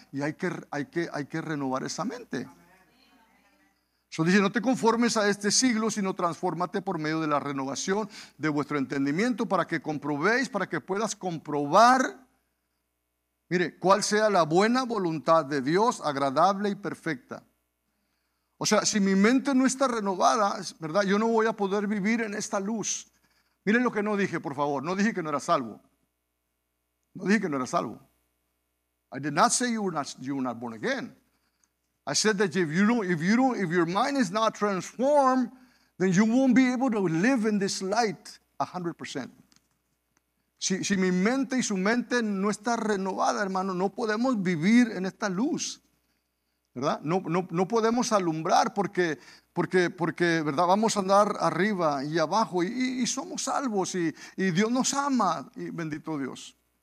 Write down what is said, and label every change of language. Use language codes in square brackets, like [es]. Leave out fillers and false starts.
[es] Y hay que renovar esa mente. Eso dice, no te conformes a este siglo, sino transfórmate por medio de la renovación de vuestro entendimiento para que comprobéis, para que puedas comprobar. Mire, cuál sea la buena voluntad de Dios, agradable y perfecta. O sea, si mi mente no está renovada, ¿verdad? Yo no voy a poder vivir en esta luz. Mire lo que no dije, por favor. No dije que no era salvo. No dije que no era salvo. [en] I did not say you were not born again. I said that if your mind is not transformed, then you won't be able to live in this light 100%. [es] Si mi mente y su mente no está renovada, hermano, no podemos vivir en esta luz, ¿verdad? No podemos alumbrar porque ¿verdad? Vamos a andar arriba y abajo y somos salvos y Dios nos ama, y bendito Dios.